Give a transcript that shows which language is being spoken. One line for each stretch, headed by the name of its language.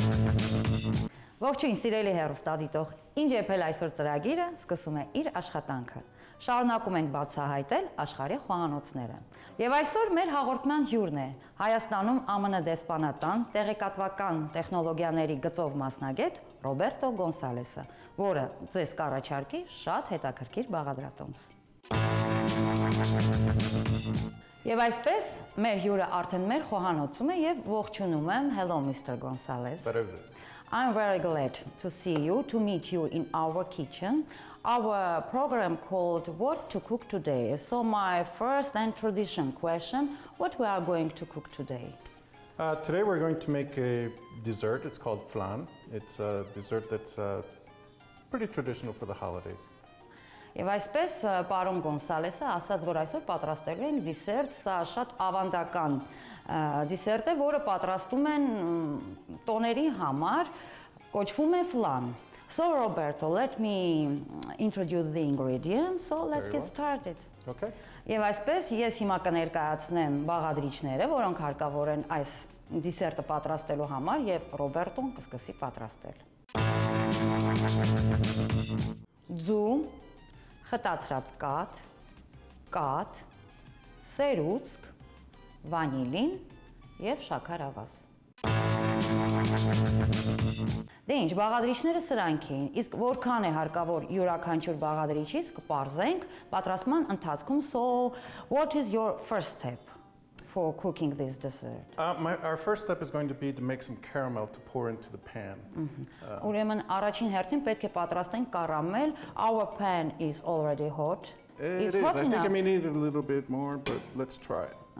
Armenian: Ողջույն, սիրելի հեռուստատի տող, ինչ եփել այսօր ծրագիրը, սկսում է իր աշխատանքը։ Շարունակում ենք բացահայտել աշխարհի խոհանոցները։ Եվ այսօր մեր հաղորդման հյուրն է Հայաստանում ԱՄՆ դեսպանատան տեղեկատվական տեխնոլոգիաների գծով մասնագետ Ռոբերտո Գոնսալեսը, որը ձեզ կառաջարկի շատ հետաքրքիր բաղադրատոմս։ Եվ այսպես մեր հյուրը արդեն մեր խոհանոցում է եւ ողջունում եմ
English: Hello Mr. Gonzalez. I'm very glad to see you, to meet you in our kitchen. Our program called What to Cook Today. So my first and tradition question, what we are going to cook today? Today we're going to make a dessert. It's called Flan. It's a dessert that's pretty traditional for the holidays.
Armenian: Եվ այսպես պարոն Գոնսալեսը ասաց, որ այսօր պատրաստելու են դեսերտ, սա շատ ավանդական դեսերտ է, որը պատրաստում են տոների համար, կոչվում է Flan.
English: So Roberto, let me introduce the ingredients. So let's get started. Okay.
Armenian: Եվ այսպես ես հիմա կներկայացնեմ բաղադրիչները, որոնք հարկավոր են այս դեսերտը պատրաստելու համար եւ Ռոբերտոն կսկսի պատրաստել. Ձու Խտացրած կաթ, կաթ, սերուցք, վանիլին եւ շաքարավազ։ Դե ի՞նչ բաղադրիչները սրանք էին, իսկ որքան է հարկավոր յուրաքանչյուր բաղադրիչից կպարզենք պատրաստման ընթացքում։
English: So what is your first step for cooking this dessert? Our first step is going to be to make some caramel to pour into the pan.
Armenian: Ուրեմն առաջին հերթին պետք է պատրաստենք կարամել.
English: Our pan is already hot. I think I may need a little bit more, but let's try it.